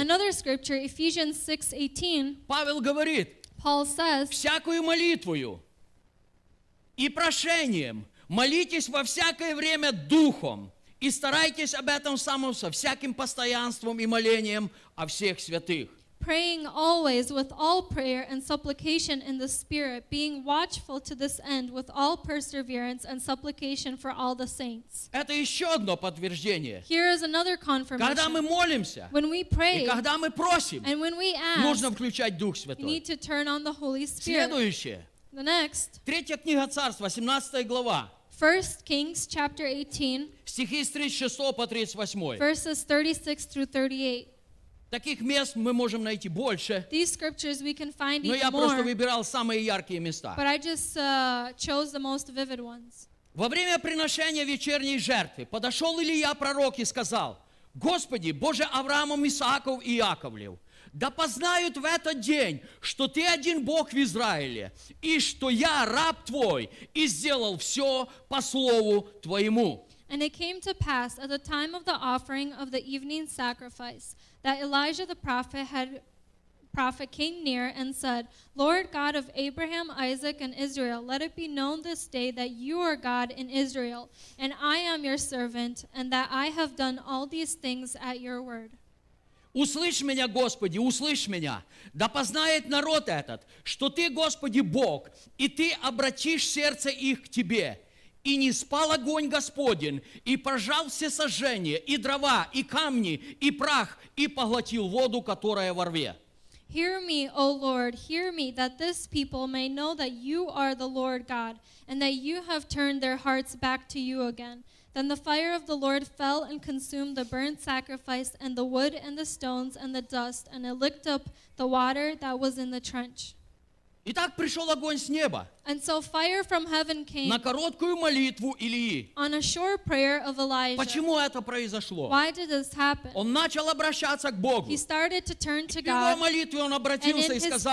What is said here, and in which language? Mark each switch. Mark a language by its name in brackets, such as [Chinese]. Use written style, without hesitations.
[English] Another scripture, Ephesians 6:18. [Russian] Павел говорит, [English] Paul says, [Russian] всякую молитвою и прошением молитесь во всякое время Духом и старайтесь об этом самом со всяким постоянством и молением о всех святых. [English] Praying always with all prayer and supplication in the Spirit, being watchful to this end with all perseverance and supplication for all the saints. [Russian] Это ещё одно подтверждение. [English] Here is another confirmation. [Russian] Когда мы молимся, [English] when we pray, [Russian] и когда мы просим, [English] and when we ask, [Russian] нужно включать Дух Святой. [English] You need to turn on the Holy Spirit. [Russian] Следующее. [English] The next. [Russian] Третья книга Царств, 18 глава. [English] 1 Kings chapter 18. [Russian] Стихи с 36 по 38. [English] Verses 36 through 38. [Russian] Таких мест мы можем найти больше. [English] These scriptures we can find [Russian] но [English] even [Russian] я просто [English] more, [Russian] выбирал самые яркие места. [English] But I just, chose the most vivid ones. [Russian] Во время приношения вечерней жертвы подошел Илия пророк и сказал: «Господи, Боже Авраамов, Исааков и Яковлев, да познают в этот день, что Ты один Бог в Израиле, и что я раб Твой, и сделал все по слову Твоему». [English] And it came to pass at the time of the offering of the evening sacrifice that Elijah the prophet came near and said, Lord God of Abraham, Isaac, and Israel, let it be known this day that you are God in Israel, and I am your servant, and that I have done all these things at your word. [Russian] Услышь меня, Господи, услышь меня, да познает народ этот, что Ты, Господи, Бог, и Ты обратишь сердце их к Тебе. И не спал огонь Господень, и прожал все сожжения, и дрова, и камни, и прах, и поглотил воду, которая во рве. [English] Hear me, O Lord, hear me, that this people may know that you are the Lord God, and that you have turned their hearts back to you again. Then the fire of the Lord fell and consumed the burnt sacrifice, and the wood, and the stones, and the dust, and it licked up the water that was in the trench. [Russian] Итак, пришел огонь с неба. [English] And so fire from heaven came. [Russian] На короткую молитву Илии. [English] On a short prayer of Elijah. [Russian] Почему это произошло? [English] Why did this happen? [Russian] Он начал обращаться к Богу. [English] He started to turn to God. [Russian] И в его молитве он обратился и сказал.